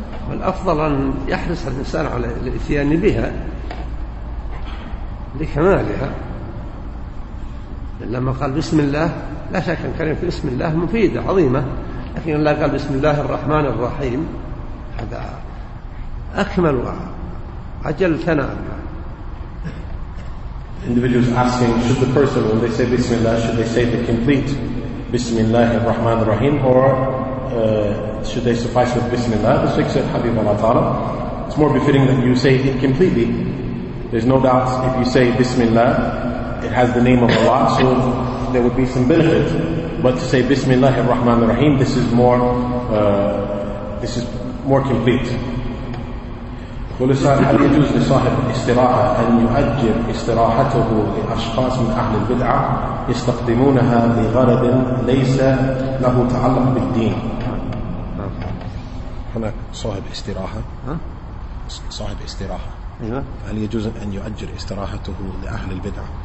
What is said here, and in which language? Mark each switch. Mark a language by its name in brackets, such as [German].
[Arabic] والأفضل أن يحرص الإنسان على الإتيان بها لكمالها، لما قال بسم الله لا شك أن كلمة بسم الله مفيدة عظيمة، لكن لا قال بسم الله الرحمن الرحيم، هذا أكمل وأجل ثناء. [English] Individuals asking, should the person when they say Bismillah, should they say the complete Bismillah ar-Rahman ar-Rahim, or should they suffice with Bismillah? The Shaykh said, Habib Allah Ta'ala, it's more befitting that you say it completely. There's no doubt if you say Bismillah, it has the name of Allah, so there would be some benefit. But to say Bismillah ar-Rahman ar-Rahim, this is more complete. [Arabic] يقول السائل هل يجوز لصاحب الاستراحة أن يؤجر استراحته لأشخاص من أهل البدعة يستخدمونها لغرض ليس له تعلق بالدين؟ هناك صاحب استراحة صاحب استراحة هل يجوز أن يؤجر استراحته لأهل البدعة؟